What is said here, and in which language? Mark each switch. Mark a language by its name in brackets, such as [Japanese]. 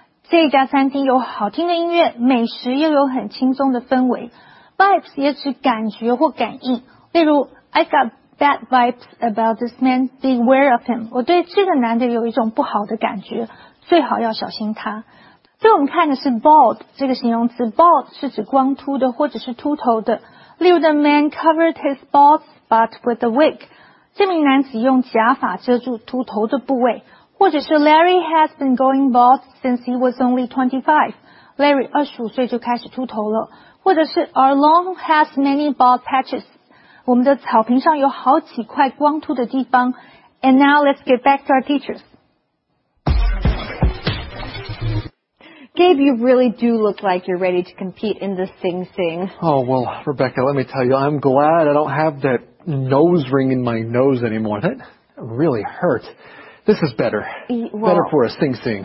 [Chinese] 这家餐厅有好听的音乐、美食，又有很轻松的氛围。 vibes 也指感觉或感应。例如 [English] ，I got bad vibes about this man, beware of him. [Chinese] 我对这个男的有一种不好的感觉，最好要小心他。对我们看的是 bald 这个形容词， bald 是指光秃的或者是秃头的。例如 [English] the man covered his bald spot with a wig. [Chinese] 这名男子用假发遮住秃头的部位，或者是 [English] Larry has been going bald since he was only 25. [Chinese] Larry 25岁就开始秃头了，或者是 [English] our lawn has many bald patches. [Chinese] 我们的草坪上有好几块光秃的地方。 [English] And now let's get back to our teachers. Gabe, you really do look like you're ready to compete in the Sing Sing. Oh, well, Rebecca, let me tell you, I'm glad I don't have that nose ring in my nose anymore. That really hurt. This is better. Better for a Sing Sing.